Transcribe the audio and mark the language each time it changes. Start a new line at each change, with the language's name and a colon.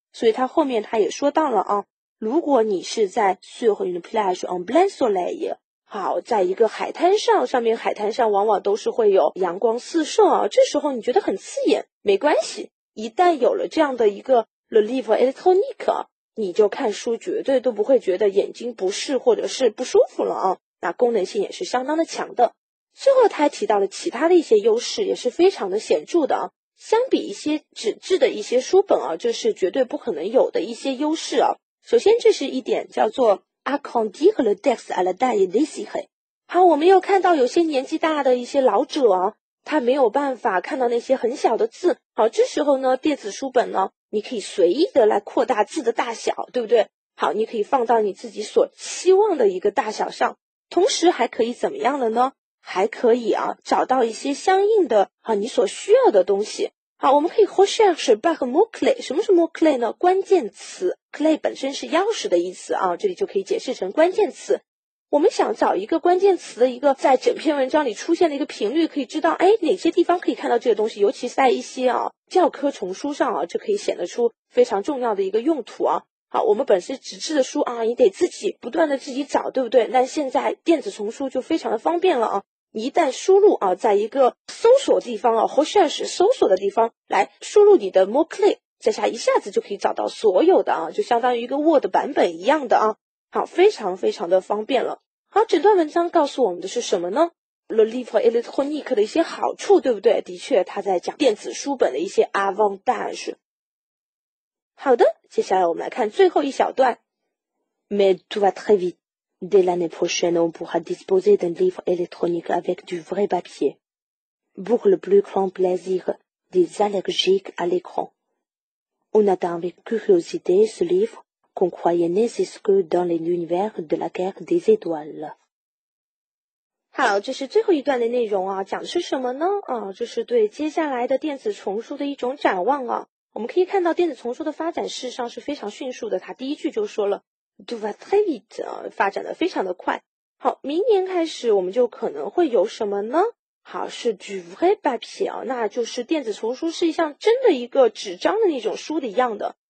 Chinese: 所以它后面它也说到了啊，如果你是在
French: sur une plage en plein soleil，
Chinese: 好，在一个海滩上，上面海滩上往往都是会有阳光四射啊，这时候你觉得很刺眼，没关系，一旦有了这样的一个
French: le livre électronique，
Chinese: 你就看书绝对都不会觉得眼睛不适或者是不舒服了啊，那功能性也是相当的强的。最后他还提到了其他的一些优势，也是非常的显著的啊。相比一些纸质的一些书本啊，这是绝对不可能有的一些优势啊。首先这是一点叫做
French: accondir le texte à la taille de ses mains。
Chinese: 好，我们又看到有些年纪大的一些老者啊，他没有办法看到那些很小的字。好，这时候呢，电子书本呢，你可以随意的来扩大字的大小，对不对？好，你可以放到你自己所期望的一个大小上。同时还可以怎么样了呢？还可以啊，找到一些相应的啊你所需要的东西。好，我们可以
French: recherche par mot clé。
Chinese: 什么是 mot clé 呢？关键词。clé 本身是钥匙的意思啊，这里就可以解释成关键词。我们想找一个关键词的一个在整篇文章里出现的一个频率，可以知道哎哪些地方可以看到这个东西，尤其是在一些啊教科丛书上啊，这可以显得出非常重要的一个用途啊。好，我们本身纸质的书啊，你得自己不断的自己找，对不对？那现在电子丛书就非常的方便了啊，你一旦输入啊，在一个搜索地方啊 ，recherche 搜索的地方来输入你的 mot clé， 在下一下子就可以找到所有的啊，就相当于一个 Word 版本一样的啊。好，非常非常的方便了。好，整段文章告诉我们的是什么呢？
French: Le livre électronique
Chinese: 的一些好处，对不对？的确他在讲电子书本的一些 avantage。好的，接下来我们来看最后一小段。
French: Mais tout va très vite. Dès l'année prochaine, on pourra disposer d'un livre électronique avec du vrai papier. Pour le plus grand plaisir des allergiques à l'écran. On attend avec curiosité ce livreQu'on croyait nécessaire dans l'univers de la guerre des étoiles.
Chinese: 好，这是最后一段的内容啊，讲的是什么呢？啊，这是对接下来的电子丛书的一种展望啊。我们可以看到电子丛书的发展事实上是非常迅速的，他第一句就说了
French: Tout va très vite，
Chinese: 发展的非常的快。好，明年开始我们就可能会有什么呢？好，是
French: du vrai papier
Chinese: 啊，那就是电子丛书是一项真的一个纸张的那种书的一样的。